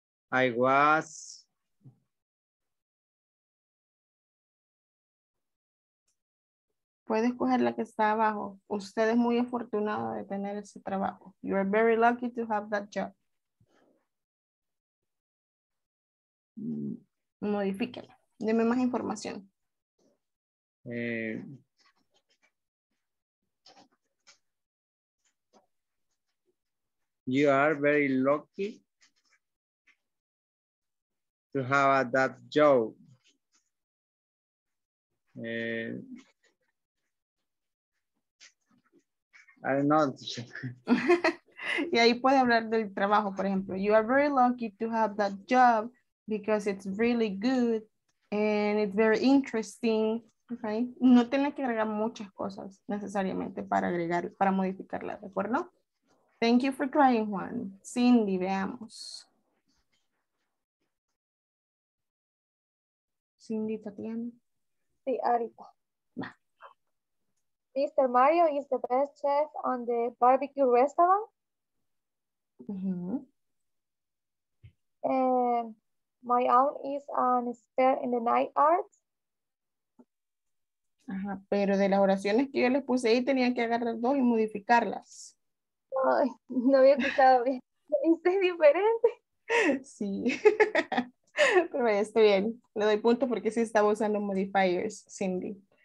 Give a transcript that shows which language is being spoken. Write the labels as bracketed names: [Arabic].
[English] I was... [Spanish] Puedes escoger la que está abajo. Usted es muy afortunado de tener ese trabajo. [English] You are very lucky to have that job. [Spanish] Modifíquela. Deme más información. [English] You are very lucky to have that job. I don't know. [Spanish] Y ahí puede hablar del trabajo, por ejemplo. [English] You are very lucky to have that job because it's really good and it's very interesting. Okay? [Spanish] No tiene que agregar muchas cosas necesariamente para modificarla, ¿de acuerdo? [English] Thank you for trying, Juan. Cindy, veamos. Cindy, Tatiana. [Spanish] Sí, ahorita. [English] Mr. Mario is the best chef on the barbecue restaurant. Mm-hmm. And my aunt is an expert in the night art. [Spanish] Ajá, pero de las oraciones que yo les puse ahí, tenía que agarrar dos y modificarlas. Ay, no había escuchado bien. Es diferente. Sí. Pero ya estoy bien. Le doy punto porque sí estaba usando modifiers, Cindy.